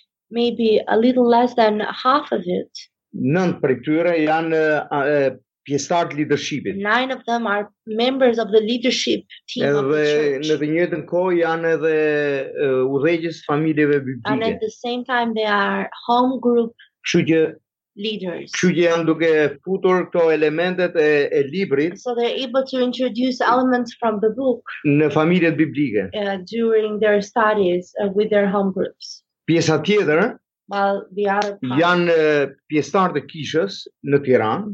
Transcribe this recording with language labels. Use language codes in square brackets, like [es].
[en] Maybe a little less than half of it. [sq] Nën prej tyre janë pjesëtar të leadershipit. [en] 9 of them are members of the leadership team of the church. [sq] Edhe në të njëjtën kohë janë edhe udhëheqës familjeve biblike. [en] And at the same time they are home group leaders. [sq] Kështu që janë duke futur këto elementet e librit. [en] So they're able to introduce elements from the book [sq] në familjet biblike. [en] During their studies with their home groups. [sq] Pjesa tjetër. [en] While the other part, [sq] janë pjesëtar të kishës në Tiranë.